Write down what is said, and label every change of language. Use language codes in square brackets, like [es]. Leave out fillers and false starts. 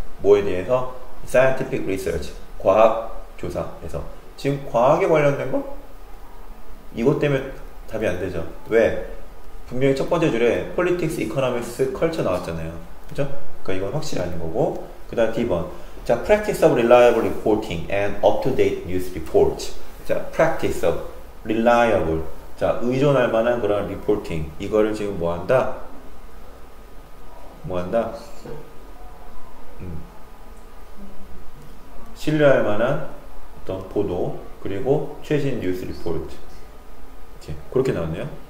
[ko] 뭐에 대해서? scientific research. 과학 조사에서. 지금 과학에 관련된 거? 이것 때문에 답이 안 되죠. 왜? 분명히 첫 번째 줄에 politics, economics, culture 나왔잖아요. 그죠? 그러니까 이건 확실히 아닌 거고. 그 다음 D번. [en] 자, practice of reliable reporting and up-to-date news reports. 자, practice of reliable. [ko] 자, 의존할 만한 그런 리포팅. 이거를 지금 뭐 한다? 뭐 한다? 신뢰할 만한 어떤 보도, 그리고 최신 뉴스 리포트. 이렇게, 그렇게 나왔네요.